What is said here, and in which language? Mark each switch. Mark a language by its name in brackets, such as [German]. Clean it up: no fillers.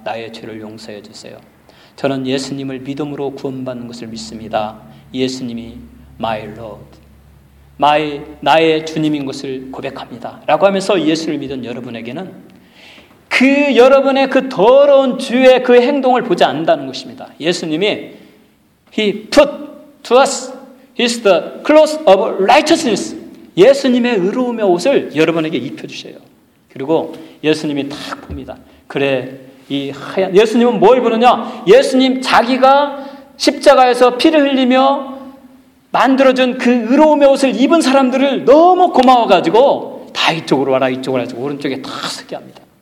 [Korean] 나의 죄를 용서해 주세요. 저는 예수님을 믿음으로 구원받는 것을 믿습니다. 예수님이 [English] My Lord [Korean] 나의 주님인 것을 고백합니다 라고 하면서 예수를 믿은 여러분에게는 그 여러분의 그 더러운 죄의 그 행동을 보지 않는다는 것입니다. [English] 예수님이 He put to us He's the clothes of righteousness. [Korean] 예수님의 의로움의 옷을 여러분에게 입혀주셔요. 그리고 예수님이 탁 봅니다. 그래 이 하얀, 예수님은 뭘 부르냐? 예수님 자기가 십자가에서 피를 흘리며 만들어준 그 의로움의 옷을 입은 사람들을 너무 고마워가지고 다 이쪽으로 와라, 이쪽으로 와라, 오른쪽에 다 서게 합니다.